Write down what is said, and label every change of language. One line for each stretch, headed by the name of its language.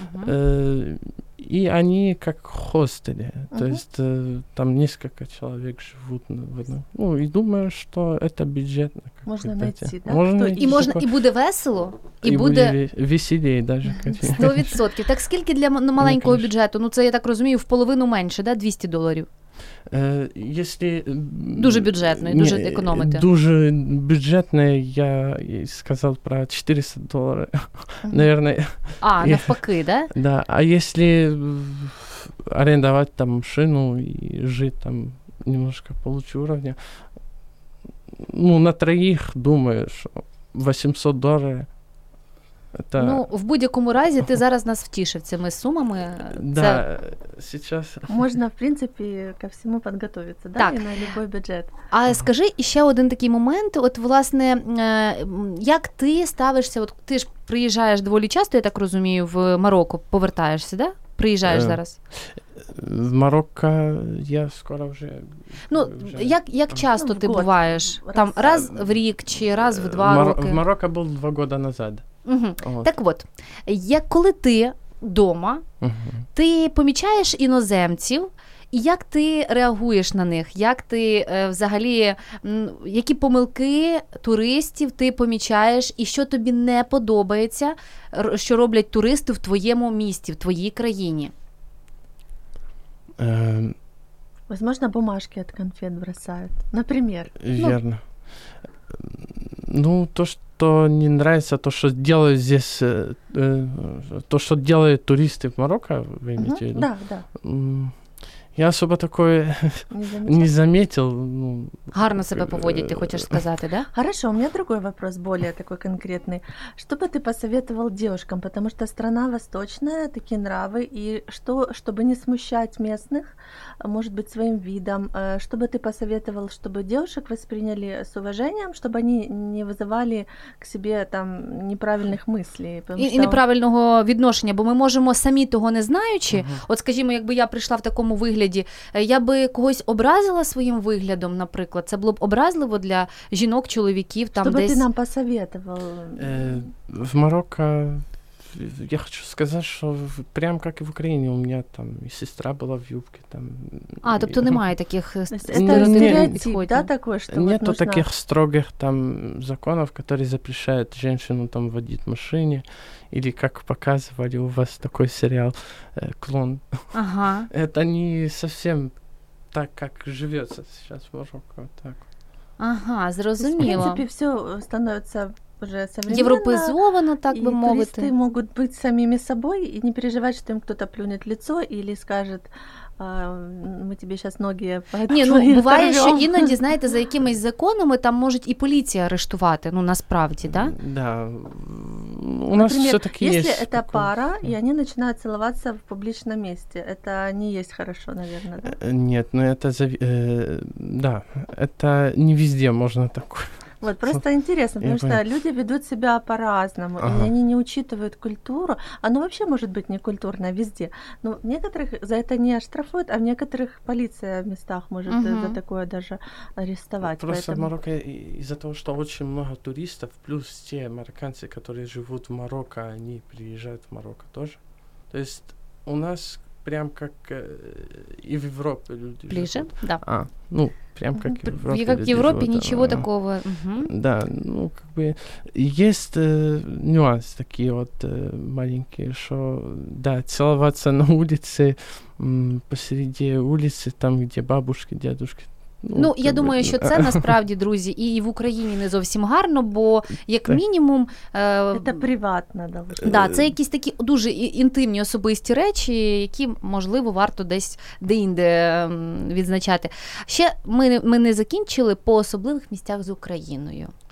Russian: Uh-huh. И они как хостели. Uh-huh. То есть там несколько человек живут в одном. Ну, и думаю, что это бюджетно. Можно найти, да? Можно и, можно, и будет весело? И будет веселее даже. 100%. Так сколько для маленького бюджету?
Ukrainian: Ну, це, я так розумію, в половину менше, да, $200.
Russian: Если...
Ukrainian: Дуже бюджетний, дуже економити. Дуже бюджетний, я сказав про $400.
Russian: Mm-hmm. Наверное.
Ukrainian: А, навпаки, да?
Russian: Да. А если арендовать там машину и жить там немножко получше уровня, ну, на троих, думаю, що $800. Это...
Ukrainian: Ну, в будь-якому разі ти зараз нас втішив цими сумами. Да, це... сейчас. Можна, в принципі, ко всьому підготовитися, да, і
Russian: на любой бюджет.
Ukrainian: А скажи ще один такий момент, от, власне, як ти ставишся, от ти ж приїжджаєш доволі часто, я так розумію, в Марокко повертаєшся, да? Приїжджаєш зараз? В Марокко я скоро вже... Ну, вже... як часто ти буваєш? Там, раз в рік чи раз в два роки? В Марокко був 2 роки назад. Угу. От. Так от, як коли ти вдома, угу. ти помічаєш іноземців, і як ти реагуєш на них? Як ти взагалі, які помилки туристів ти помічаєш, і що тобі не подобається, що роблять туристи в твоєму місті, в твоїй країні?
Russian: Возможно, бумажки от конфет бросают, например. Верно. Ну, то, что не нравится, то, что делают здесь, то, что делают туристы в Марокко, вы имеете в виду? Да, да. Я особо такое не заметил. Ну, гарно себя поводить, ты хочешь сказать, да? Хорошо, у меня другой вопрос, более такой конкретный. Что бы ты посоветовал девушкам? Потому что страна восточная, такие нравы, и что, чтобы не смущать местных, может быть, своим видом, что бы ты посоветовал, чтобы девушек восприняли с уважением, чтобы они не вызывали к себе там неправильных мыслей?
Ukrainian: И неправильного відношення, бо ми можемо самі того не знаючи, от скажімо, якби я прийшла в такому вигляді, я би когось образила своїм виглядом, наприклад, це було б образливо для жінок, чоловіків, там щоб десь. Що би ти нам посоветував? В Марокко, я хочу сказати, що прям як і в Україні, у мене там і сестра була в юбці. Там. А, тобто немає таких стереотипів? Да, такого, що нету от нужна таких строгих там законів, які запрещають жінку там водити машину.
Russian: Или как показывали у вас такой сериал «Клон». Ага. Это не совсем так, как живется сейчас в Марокко. Так.
Ukrainian: Ага, зрозуміло.
Russian: В принципе, все становится уже современно.
Ukrainian: Європезовано, так би мовити.
Russian: И туристи могут быть самими собой и не переживать, что им кто-то плюнет лицо или скажет:
Ukrainian: ми тобі зараз ноги
Russian: поэтому.
Ukrainian: Ні, ну буває, що іноді, знаєте, за якимись законами там можуть і поліція арештувати, ну насправді, да? Да. У нас все-таки є. Якщо це пара, і вони починають цілуватися в публічному місці, це не є хорошо, наверное, да? Ні, ну це да, це не везде можна таке.
Russian: Вот, просто интересно, потому что люди ведут себя по-разному, ага. И они не учитывают культуру. Оно вообще может быть некультурное везде. Но в некоторых за это не оштрафуют, а в некоторых полиция в местах может за такое даже арестовать. Просто поэтому в Марокко из-за того, что очень много туристов, плюс те марокканцы, которые живут в Марокко, они приезжают в Марокко тоже. То есть у нас прям как и в Европе люди ближе живут. Да. А, ну, прям как и в Европе. Как в Европе живут, ничего такого. Да, ну, как бы есть нюансы такие вот маленькие, что, да, целоваться на улице, посреди улицы, там, где бабушки, дедушки.
Ukrainian: Ну, я думаю, що це насправді, друзі, і в Україні не зовсім гарно, бо як мінімум це приватно, да. Да, це якісь такі дуже інтимні особисті речі, які, можливо, варто десь деінде відзначати. Ще ми не закінчили по особливих місцях з Україною.